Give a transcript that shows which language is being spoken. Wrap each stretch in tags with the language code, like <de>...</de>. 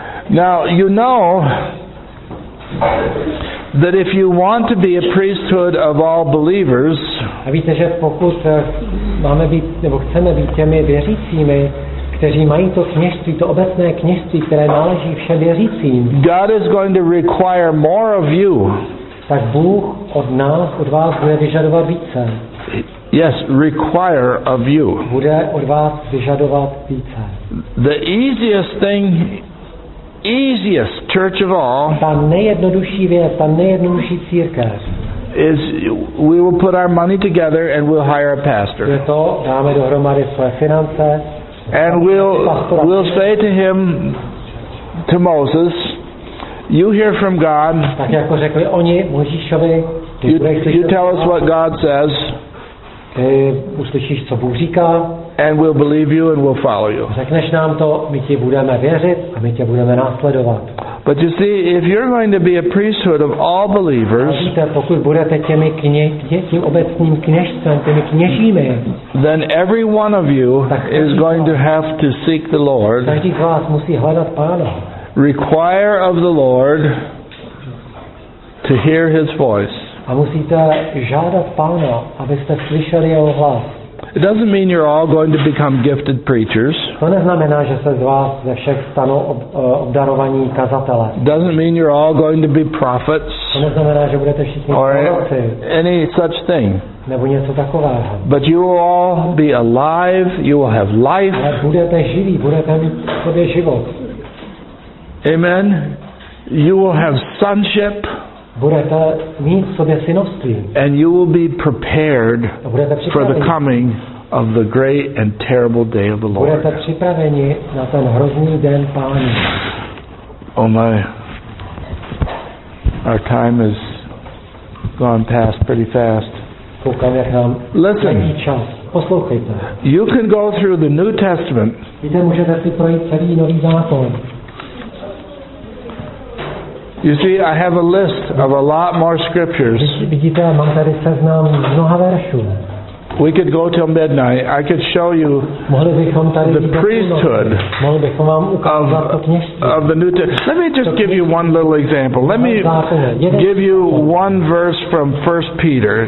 <en>Now, you know that if you want to be a priesthood of all believers,</en> <cs>a víte, že pokud máme být, nebo chceme být těmi věřícími, kteří mají to kněžství, to obecné kněžství, které náleží všem věřícím,</cs> <en>God is going to require more of you.</en> <cs>Tak Bůh od nás, od vás bude vyžadovat více.</cs> <en>Yes, require of you.</en> <cs>Bude od vás vyžadovat více.</cs> <en>The easiest thing, easiest church of all,</en> <cs>ta nejjednodušší věc, ta nejjednodušší církev,</cs> <en>is we will put our money together and we'll hire a pastor.</en> <cs>Je to, dáme dohromady své finance.</cs> <en>And we'll say to him, to Moses, you hear from God.</en> <cs>Tak jako řekli oni Mojžíšovi,</cs> <en>you tell us what God says.</en> <cs>Uslyšíš, co Bůh říká.</cs> <en>And we'll believe you and we'll follow you.</en> <cs>Řekneš nám to, my ti budeme věřit a my tě budeme následovat.</cs> <en>But you see, if you're going to be a priesthood of all believers,</en> <cs>víte, pokud budete těmi tím obecním kněžstvem, těmi kněžími,</cs> <en>then every one of you is going to have to seek the Lord.</en> <cs>Každý z vás musí hledat Pána.</cs> <en>Require of the Lord to hear his voice.</en> <cs>A musíte žádat Pána, abyste slyšeli jeho hlas.</cs> <en>It doesn't mean you're all going to become gifted preachers.</en> <cs>To neznamená, že se z vás ze všech stanou obdarovaní kazatelé.</cs> <en>It doesn't mean you're all going to be prophets.</en> <cs>To neznamená, že budete všichni proroci.</cs> <en>Any such thing.</en> <cs>Nebo něco takového.</cs> <en>But you will all be alive, you will have life.</en> <cs>Ale budete živí, budete mít v sobě život.</cs> <en>Amen. You will have sonship.</en> <cs>Budete mít v sobě synovství.</cs> <en>And you will be prepared for the coming of the great and terrible day of the Lord.</en> <cs>Budete připraveni na ten hrozný den Páně.</cs> <en>Oh my. Our time has gone past pretty fast.</en> <cs>Koukám, jak nám letí čas. Poslouchejte.</cs> <en>You can go through the New Testament.</en> <cs>Víte, můžete si projít celý Nový zákon.</cs> <en>You see, I have a list of a lot more scriptures.</en> <cs>Vidíte, mám tady seznam mnoha veršů.</cs> <en>We could go till midnight. I could show you the priesthood of the New Testament. Let me just give you one little example. Let me give you one verse from 1 Peter.</en>